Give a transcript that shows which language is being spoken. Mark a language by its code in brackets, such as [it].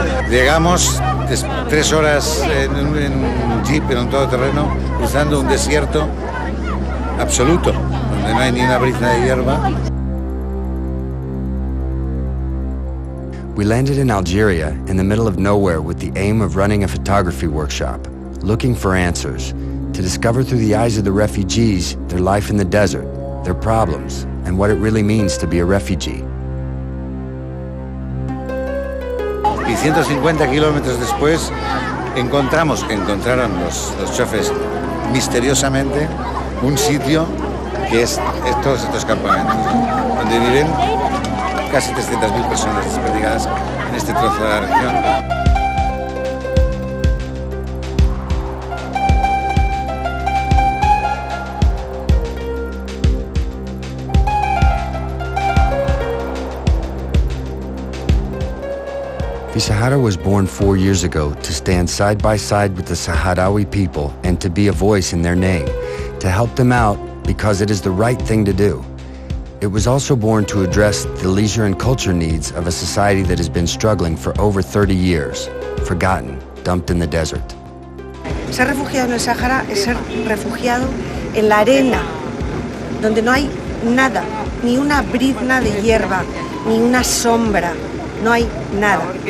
[es] Llegamos 3 horas en un jeep, en un todoterreno, cruzando un desierto absoluto, donde no hay ni una brizna de hierba. [en] We landed in Algeria, in the middle of nowhere, with the aim of running a photography workshop, looking for answers, to discover through the eyes of the refugees their life in the desert, their problems, and what it really means to be a refugee. [es] 150 kilómetros después, encontraron los choferes, misteriosamente, un sitio que es todos estos campamentos, donde viven casi 300.000 personas desperdigadas en este trozo de la región. [en] Fisahara was born 4 years ago to stand side by side with the Sahrawi people and to be a voice in their name, to help them out because it is the right thing to do. It was also born to address the leisure and culture needs of a society that has been struggling for over 30 years, forgotten, dumped in the desert. [es] Ser refugiado en el Sahara es ser refugiado en la arena, donde no hay nada, ni una brizna de hierba, ni una sombra. No hay nada.